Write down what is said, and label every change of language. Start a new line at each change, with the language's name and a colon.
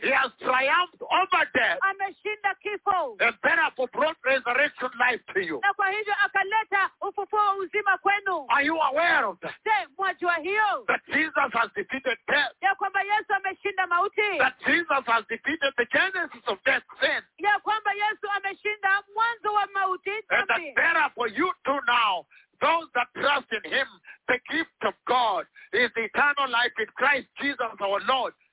English: He has triumphed over death.
Swahili: Ameshinda kifo.
English: The therapy brought resurrection life to you.
Swahili: Na kwa hivyo akaleta ufufuo wa uzima kwenu.
English: Are you aware of that?
Swahili: Je, mwajua hiyo?
English: That Jesus has defeated death.
Swahili: Ya kwamba Yesu ameshinda mauti.
English: That Jesus has defeated the genesis of death sin.
Swahili: Ya kwamba Yesu ameshinda mwanzo wa mauti.
English: And that better for you too now. Those that trust in him, the gift of God, is the eternal life in Christ Jesus our Lord.